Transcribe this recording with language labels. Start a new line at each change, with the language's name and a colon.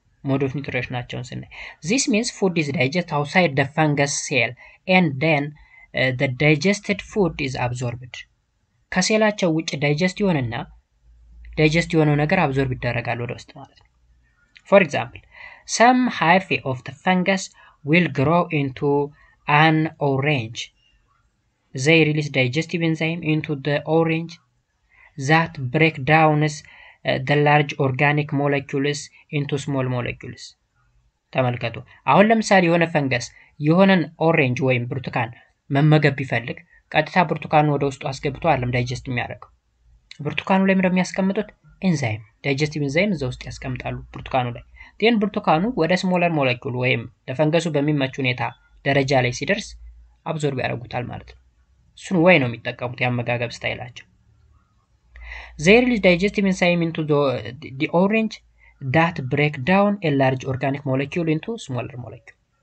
English: mode of nutrition
Amharic: ናቸው ስንል
English: this means food is digested outside the fungus cell and then the digested food is absorbed
Amharic: ከሴላቸው ውጭ digest የሆነው ነገር absorb ይደረጋል ወደ ውስጥ ማለት
English: for example Some hyphae of the fungus will grow into an orange. They release digestive enzyme into the orange that break down the large organic molecules into small molecules.
Amharic: ተመልከቱ አሁን ለምሳሌ የሆነ fungus የሆነን orange ወይም ብርቱካን መመገብ ይፈልግ ቀጥታ ብርቱካኑ ወደ ውስጥ አስገብቶ አለም digest የሚያደርገው ብርቱካኑ ላይ ምንም ያስቀምጡት enzyme digestive enzyme እዛ ውስጥ ያስቀምጣሉ ብርቱካኑ ላይ ዴን ብርቱካኑ ወደ ስሞለር ሞለኪዩል ወይም ለፈንገሱ በሚመች ሁኔታ ደረጃ ላይ ሲደርስ አብዞርብ ያደርጉታል ማለት ነው። እሱን ወይ ነው የሚጠቀሙት ያመጋገብ ስታይላቸው።
English: They release digestive enzyme into the orange that break down a large organic molecule into smaller molecule.